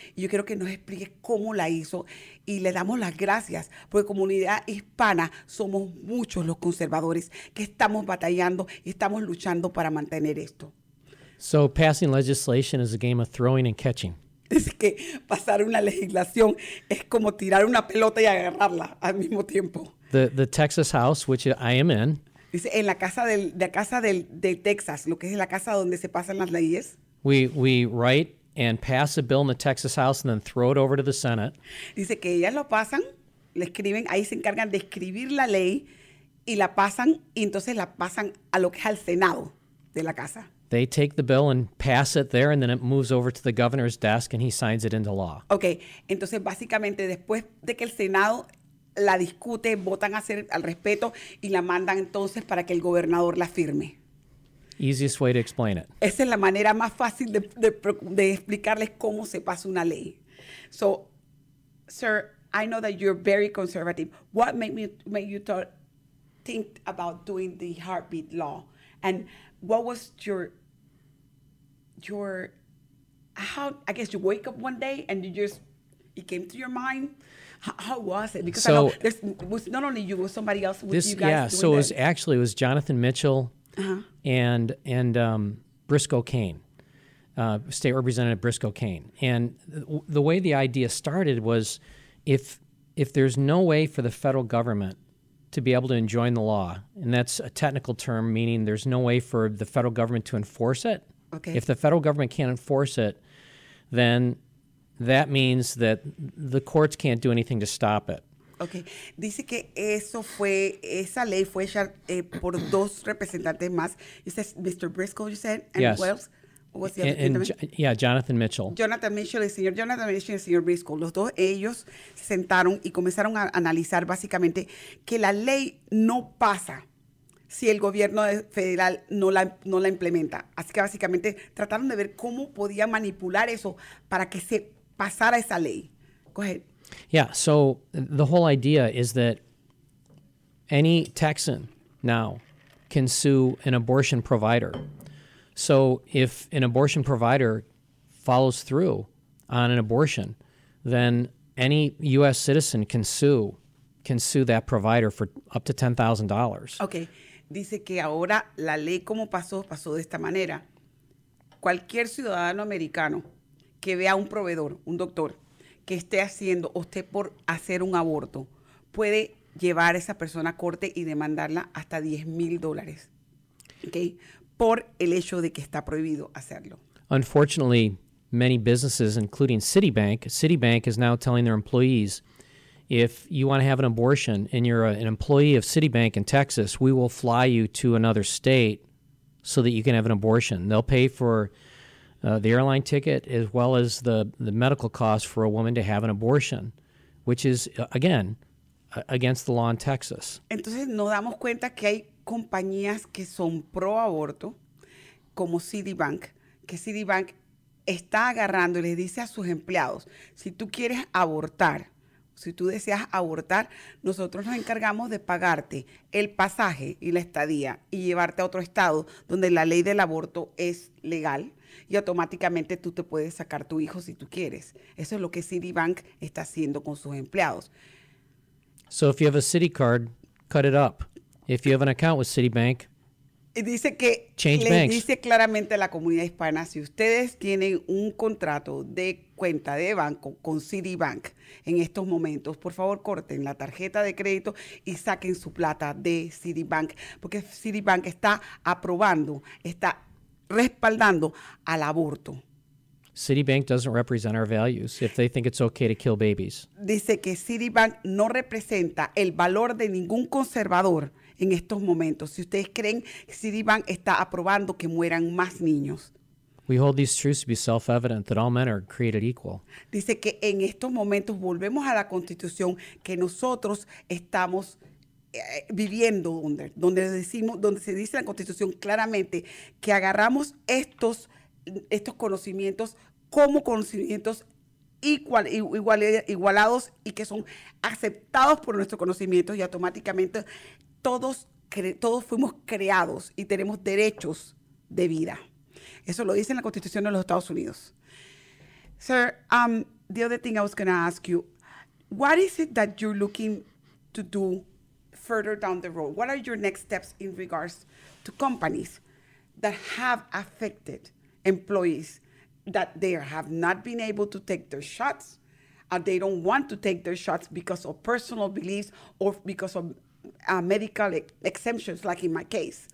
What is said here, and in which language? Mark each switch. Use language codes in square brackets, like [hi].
[es] Y yo quiero que nos explique cómo la hizo y le damos las gracias porque comunidad hispana somos muchos los conservadores que estamos batallando y estamos luchando para mantener esto. [en] So passing legislation is a game of throwing and catching. [es] Es que pasar una legislación es como tirar una pelota y agarrarla al mismo tiempo. [en] The Texas House, which I am in, [es] dice, en la casa de Texas, lo que es la casa donde se pasan las leyes. [en] We write and pass a bill in the Texas House and then throw it over to the Senate. [es] Dice que ellas lo pasan, le escriben, ahí se encargan de escribir la ley y la pasan, y entonces la pasan a lo que es al Senado de la casa. [en] They take the bill and pass it there and then it moves over to the governor's desk and he signs it into law. [es] Okay, entonces básicamente después de que el Senado la discute, votan al respeto y la mandan entonces para que el gobernador la firme. [en] Easiest way to explain it. [es] Esa es la manera más fácil de explicarles cómo se pasa una ley. [en] So, sir, I know that you're very conservative. What made you think about doing the heartbeat law? And what was you wake up one day and it came to your mind? How was it? Because so, I know there's was not only you, it was somebody else with this, you guys. Yeah, doing so this. it was Jonathan Mitchell and Briscoe Kane, State Representative Briscoe Kane. And the way the idea started was if there's no way for the federal government to be able to enjoin the law, and that's a technical term meaning there's no way for the federal government to enforce it. Okay. If the federal government can't enforce it, then that means that the courts can't do anything to stop it. Okay. [es] Dice que esa ley fue hecha por dos representantes más. [en] You said Mr. Briscoe, you said? And yes. Who else? What was the other gentleman? Jonathan Mitchell. [es] Jonathan Mitchell y el señor Briscoe. Los dos, ellos se sentaron y comenzaron a analizar básicamente que la ley no pasa si el gobierno federal no la implementa. Así que básicamente trataron de ver cómo podía manipular eso para que se pasara esa ley. [en] Go ahead. Yeah, so the whole idea is that any Texan now can sue an abortion provider. So if an abortion provider follows through on an abortion, then any U.S. citizen can sue that provider for up to $10,000. Okay. [es] Dice que ahora la ley como pasó de esta manera. Cualquier ciudadano americano que vea un proveedor, un doctor, que esté haciendo o esté por hacer un aborto, puede llevar a esa persona a corte y demandarla hasta $10,000. Okay. Por el hecho de que está prohibido hacerlo. [en] Unfortunately, many businesses, including Citibank is now telling their employees, if you want to have an abortion and you're an employee of Citibank in Texas, we will fly you to another state so that you can have an abortion. They'll pay for the airline ticket as well as the medical costs for a woman to have an abortion, which is, again, against the law in Texas. [es] Entonces, nos damos cuenta que hay compañías que son pro aborto, como Citibank, que Citibank está agarrando y les dice a sus empleados, si tú quieres abortar, si tú deseas abortar, nosotros nos encargamos de pagarte el pasaje y la estadía y llevarte a otro estado donde la ley del aborto es legal y automáticamente tú te puedes sacar tu hijo si tú quieres. Eso es lo que Citibank está haciendo con sus empleados. [en] So if you have a Citi card, cut it up. If you have an account with Citibank, [es] dice que [en] change [es] les [en] banks. [es] Dice claramente a la comunidad hispana, si ustedes tienen un contrato de cuenta de banco con Citibank en estos momentos, por favor corten la tarjeta de crédito y saquen su plata de Citibank, porque Citibank está aprobando, está respaldando al aborto. [en] Citibank doesn't represent our values if they think it's okay to kill babies. [es] Dice que Citibank no representa el valor de ningún conservador en estos momentos. Si ustedes creen, Citibank está aprobando que mueran más niños. [en] We hold these truths to be self-evident that all men are created equal. [es] Dice que en estos momentos volvemos a la Constitución que nosotros estamos viviendo donde se dice la Constitución claramente que agarramos estos conocimientos como conocimientos igualados y que son aceptados por nuestros conocimientos y automáticamente todos fuimos creados y tenemos derechos de vida. Eso lo dice en la Constitución de los Estados Unidos. [en] Sir, the other thing I was going to ask you, what is it that you're looking to do further down the road? What are your next steps in regards to companies that have affected employees that they have not been able to take their shots and they don't want to take their shots because of personal beliefs or because of medical exemptions, like in my case?